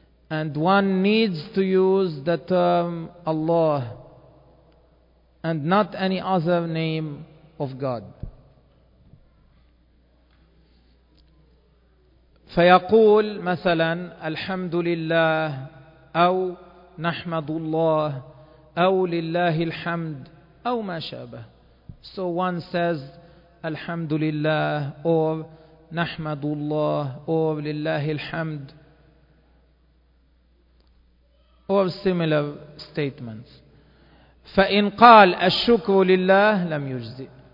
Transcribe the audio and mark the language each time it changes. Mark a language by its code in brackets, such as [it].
[en] And one needs to use the term Allah and not any other name of God. [ar] فيقول مثلا الحمد لله أو نحمد الله أو لله الحمد أو ما شابه. [en] So one says [ar] الحمد لله [en] or [ar] نحمد الله [en] or [ar] لله الحمد [en] or similar statements. [ar] فإن قال الشكر لله لم يجزئ.